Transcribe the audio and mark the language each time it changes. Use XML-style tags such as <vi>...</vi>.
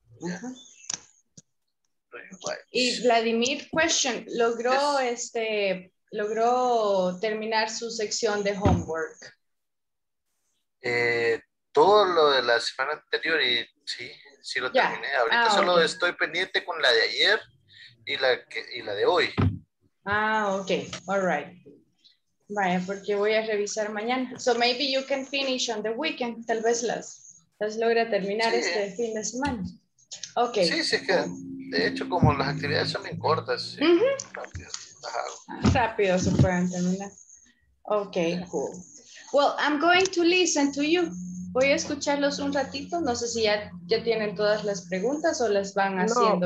<es>Ajá. Y Vladimir, question, ¿logró logró terminar su sección de homework? Todo lo de la semana anterior y sí lo terminé. Ahorita solo estoy pendiente con la de ayer y la de hoy. Ah, ok.</es> <en>All right.</en> <es>Vaya, porque voy a revisar mañana.</es> <en>So maybe you can finish on the weekend.</en> <es>Tal vez las logre terminar sí. Este fin de semana. Okay. Sí, sí, es que de hecho como las actividades son bien cortas. Sí. Uh-huh. Rápido se pueden terminar.</es> <en>Okay, cool. Well, I'm going to listen to you.</en> <es>Voy a escucharlos un ratito. No sé si ya tienen todas las preguntas o las van haciendo</es>